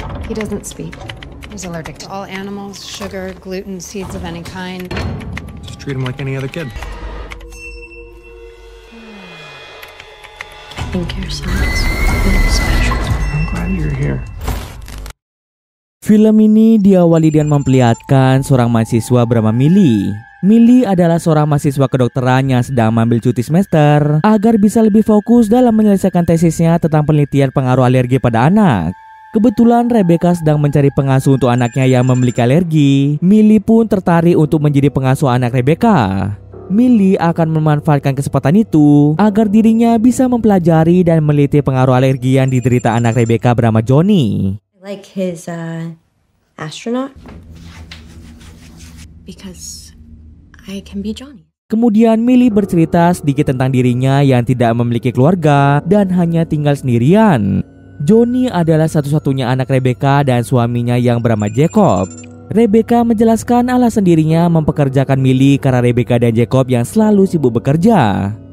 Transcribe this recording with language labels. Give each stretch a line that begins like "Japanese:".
English: He doesn't speak. He's allergic to all animals, sugar, gluten, seeds of any kind. Just treat him like any other kid. I think your son's really special. I'm glad you're here.
Indonesian: Film ini diawali dengan memperlihatkan seorang mahasiswa bernama Millie. Millie adalah seorang mahasiswa kedokteran yang sedang mengambil cuti semester agar bisa lebih fokus dalam menyelesaikan tesisnya tentang penelitian pengaruh alergi pada anak. Kebetulan Rebecca sedang mencari pengasuh untuk anaknya yang memiliki alergi. Millie pun tertarik untuk menjadi pengasuh anak Rebecca. Millie akan memanfaatkan kesempatan itu agar dirinya bisa mempelajari dan meneliti pengaruh alergi yang diderita anak Rebecca bernama Johnny.
English: Like his astronaut because I can be Johnny.
Indonesian: Kemudian Millie bercerita sedikit tentang dirinya yang tidak memiliki keluarga dan hanya tinggal sendirian. Johnny adalah satu-satunya anak Rebecca dan suaminya yang bernama Jacob. Rebecca menjelaskan alasan dirinya mempekerjakan Millie karena Rebecca dan Jacob yang selalu sibuk bekerja.